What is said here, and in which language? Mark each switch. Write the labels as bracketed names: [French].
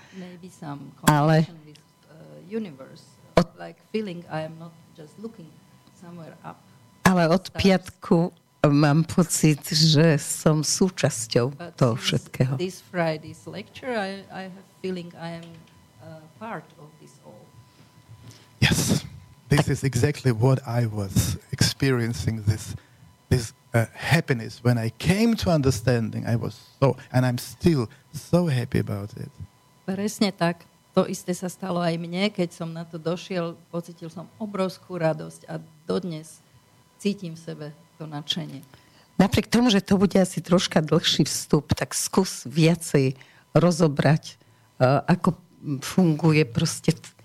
[English] Maybe some ale with, universe, like feeling I am not just looking somewhere up. [Slovak] Ale od piatku mám pocit, že som súčasťou toho všetkého. [English] This Friday's lecture I have feeling I am part of this all. Yes. This is exactly what I was experiencing this happiness when I came to understanding. I was so and I'm still so happy about it. [Slovak] Presne tak. To isté sa stalo aj mne, keď som na to došiel, pocítil som obrovskú radosť a dodnes cítim v sebe to nadšenie. Napriek tomu, že to bude asi troška dlhší vstup, tak skús viacej rozobrať, ako funguje proste